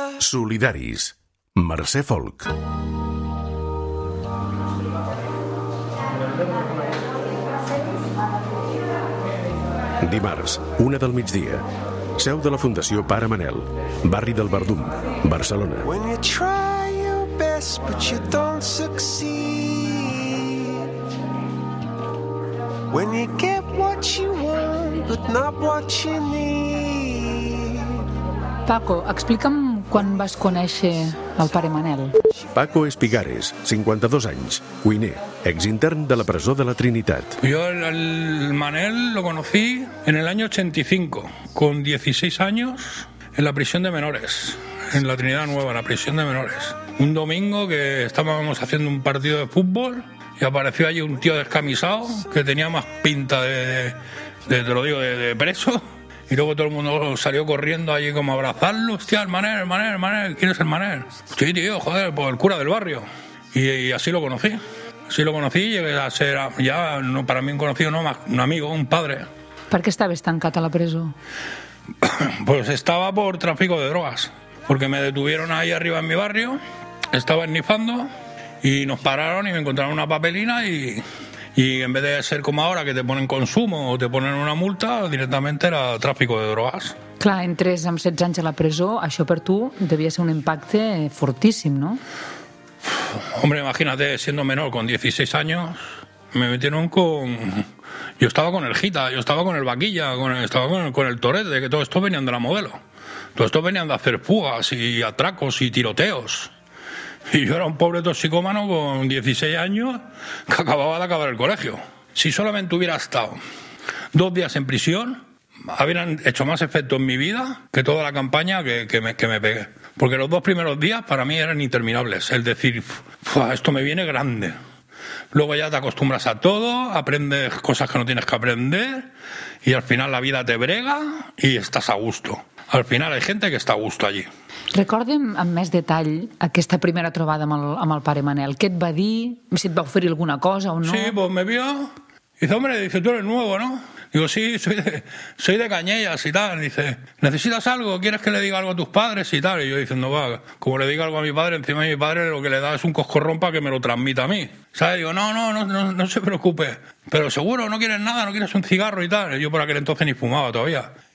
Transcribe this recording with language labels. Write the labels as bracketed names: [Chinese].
[Catalan] Solidaris, Mercè Folch. Dimarts, 1 del migdia. Seu de la Fundació Pare Manel, barri del Verdum, Barcelona. [English] When you try your best but you don't succeed. When you get what you want but not what you need. [Catalan] Paco, explica'm quan vas conèixer el Pare Manel. Paco Espigares, 52 anys, cuiner, exintern de la presó de la Trinitat. [Spanish] Yo el Manel lo conocí en el año 85, con 16 años, en la prisión de menores, en la Trinidad Nueva, la prisión de menores. Un domingo que estábamos haciendo un partido de fútbol y apareció allí un tío descamisado que tenía más pinta de preso. Y luego todo el mundo salió corriendo allí como a abrazarlo. Hostia, el Manel, ¿quién es el Manel? Sí, tío, joder, pues el cura del barrio. Y así lo conocí. Llegué a ser ya, no, para mí un conocido, no, un amigo, un padre. [Catalan] ¿Por qué estabas tancat a la preso? [Spanish] Pues estaba por tráfico de drogas. Porque me detuvieron ahí arriba en mi barrio. Estaba esnifando. Y nos pararon y me encontraron una papelina Y en vez de ser como ahora, que te ponen consumo o te ponen una multa, directamente era tráfico de drogas. [Catalan] Clar, entres amb 16 anys a la presó, això per tu devia ser un impacte fortíssim, no? [Spanish] Hombre, imagínate, siendo menor, con 16 años, me metieron con... Yo estaba con el Gita, yo estaba con el Vaquilla, estaba con el Torete, que todo esto venían de la Modelo. Todo esto venían de hacer fugas y atracos y tiroteos. Y yo era un pobre toxicómano con 16 años que acababa de acabar el colegio. Si solamente hubiera estado 2 días en prisión, habrían hecho más efecto en mi vida que toda la campaña que me pegué. Porque los 2 primeros días para mí eran interminables. Es decir, esto me viene grande. Luego ya te acostumbras a todo, aprendes cosas que no tienes que aprender y al final la vida te brega y estás a gusto. Al final hay gente que está a gusto allí. [Catalan] Recorda'm amb més detall aquesta primera trobada amb el pare Manel. Què et va dir? Si et va oferir alguna cosa o no? [Spanish] Sí, pues me vio. Dice, hombre, dice, tú eres nuevo, ¿no? Digo, sí, soy de Cañellas y tal. Dice, ¿necesitas algo? ¿Quieres que le diga algo a tus padres y tal? Y yo diciendo, va, como le diga algo a mi padre, encima de mi padre lo que le da es un coscorrón para que me lo transmita a mí. ¿Sabes? Digo, no se preocupe. Pero seguro, no quieres nada, no quieres un cigarro y tal. Y yo por aquel entonces ni fumaba todavía.